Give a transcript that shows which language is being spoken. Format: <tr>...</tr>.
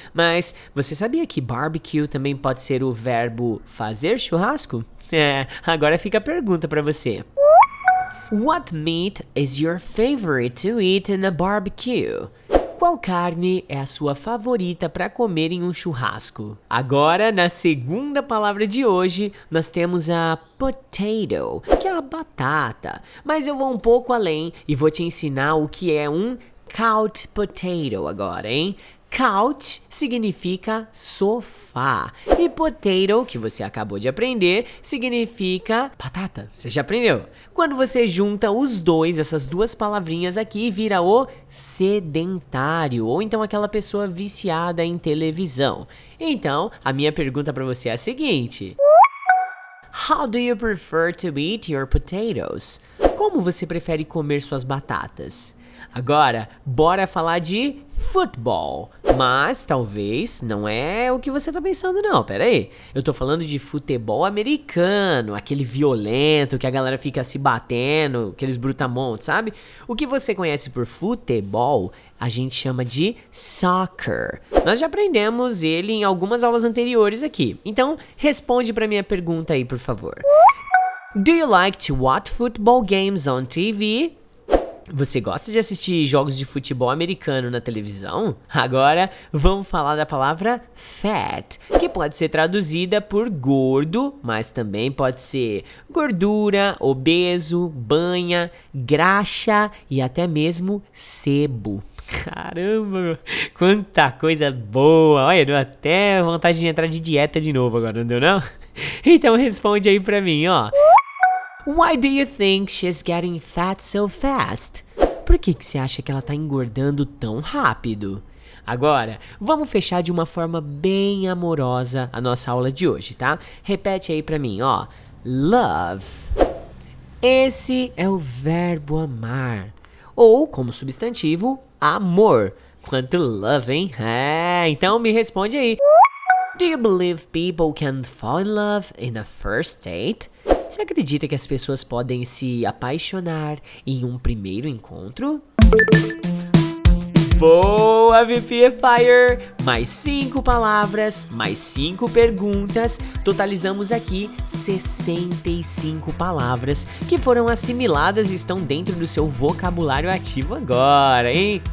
<pt>Mas você sabia que barbecue também pode ser o verbo fazer churrasco? É, agora fica a pergunta pra você.</pt> <en>What meat is your favorite to eat in a barbecue?</en> <pt>Qual carne é a sua favorita para comer em um churrasco? Agora, na segunda palavra de hoje, nós temos a potato, que é a batata. Mas eu vou um pouco além e vou te ensinar o que é um couch potato agora, hein? Couch significa sofá. E potato, que você acabou de aprender, significa batata. Você já aprendeu? Quando você junta os dois, essas duas palavrinhas aqui, vira o sedentário, ou então aquela pessoa viciada em televisão. Então, a minha pergunta pra você é a seguinte.</pt> <en>How do you prefer to eat your potatoes?</en> <pt>Como você prefere comer suas batatas? Agora, bora falar de futebol. Mas, talvez, não é o que você tá pensando não, peraí. Eu tô falando de futebol americano, aquele violento que a galera fica se batendo, aqueles brutamontes, sabe? O que você conhece por futebol, a gente chama de soccer. Nós já aprendemos ele em algumas aulas anteriores aqui. Então, responde pra minha pergunta aí, por favor.</pt> <en>Do you like to watch football games on TV?</en> <pt>Você gosta de assistir jogos de futebol americano na televisão? Agora, vamos falar da palavra fat, que pode ser traduzida por gordo, mas também pode ser gordura, obeso, banha, graxa e até mesmo sebo. Caramba, quanta coisa boa! Olha, deu até vontade de entrar de dieta de novo agora, não deu não? Então responde aí pra mim, ó.</pt> <en>Why do you think she's getting fat so fast?</en> <pt>Por que que você acha que ela tá engordando tão rápido? Agora, vamos fechar de uma forma bem amorosa a nossa aula de hoje, tá? Repete aí pra mim, ó. Love. Esse é o verbo amar. Ou, como substantivo, amor. Quanto love, hein? É, então me responde aí.</pt> <en>Do you believe people can fall in love in a first date?</en> <pt>Você acredita que as pessoas podem se apaixonar em um primeiro encontro? Boa, VP Fire! Mais 5 palavras, mais 5 perguntas. Totalizamos aqui 65 palavras que foram assimiladas e estão dentro do seu vocabulário ativo agora, hein?</pt>